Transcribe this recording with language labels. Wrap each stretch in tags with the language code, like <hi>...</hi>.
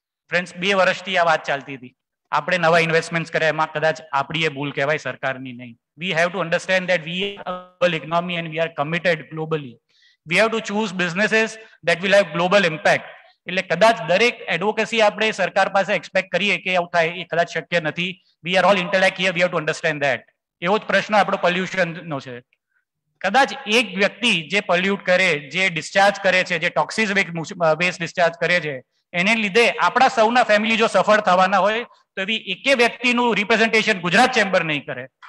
<gu>Friends, 2 વર્ષથી આ વાત ચાલતી હતી. આપણે નવા ઇન્વેસ્ટમેન્ટ કર્યા એમાં કદાચ આપણી એ ભૂલ કહેવાય, સરકારની નહીં.</gu> <en>We have to understand that we global economy and we are committed globally. We have to choose businesses that will have global impact.</en> <gu>એટલે કદાચ દરેક એડવોકેસી આપણે સરકાર પાસે એક્સપેક્ટ કરીએ કે આવું થાય એ કદાચ શક્ય નથી.</gu> <en>We are all intellect here, we have to understand that.</en> <gu>એવો જ પ્રશ્ન આપણો પોલ્યુશનનો છે. કદાચ એક વ્યક્તિ જે પોલ્યુટ કરે, જે ડિસ્ચાર્જ કરે છે, જે ટોક્સિક વેસ્ટ ડિસ્ચાર્જ કરે છે, એને લીધે આપણા સૌના ફેમિલી જો સફળ થવાના હોય તો એવી એકે વ્યક્તિનું રિપ્રેઝન્ટેશન ગુજરાત ચેમ્બર નહીં કરે.</gu>